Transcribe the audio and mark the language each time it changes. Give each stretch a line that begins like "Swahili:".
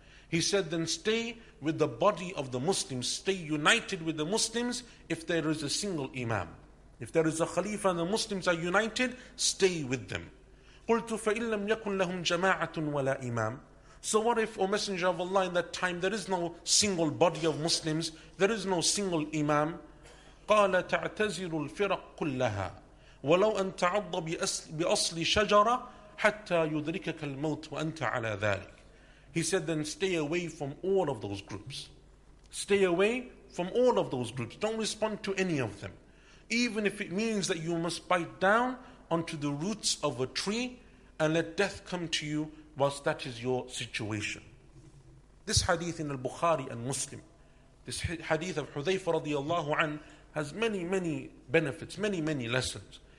English: He said, then stay with the body of the Muslims, stay united with the Muslims if there is a single imam. If there is a Khalifa and the Muslims are united, stay with them.
Arabic: قُلْتُ فَإِنْ لَمْ يَكُنْ لَهُمْ جَمَاعَةٌ وَلَا إِمَامٌ.
English: So what if, O Messenger of Allah, in that time there is no single body of Muslims, there is no single Imam?
Arabic: قَالَ تَعْتَزِلُ الْفِرَقُ كُلَّهَا وَلَوْ أَنْ تَعَضَّ بِأَصْلِ شَجَرَ حَتَّى يُدْرِكَكَ الْمَوْتُ وَأَنْتَ عَلَى ذَلِكَ.
English: He said, then stay away from all of those groups. Stay away from all of those groups. Don't respond to any of them. Even if it means that you must bite down onto the roots of a tree and let death come to you whilst that is your situation. This hadith in al-Bukhari and Muslim, this hadith of Hudhayfa radiallahu anhu, has many, many benefits, many, many lessons.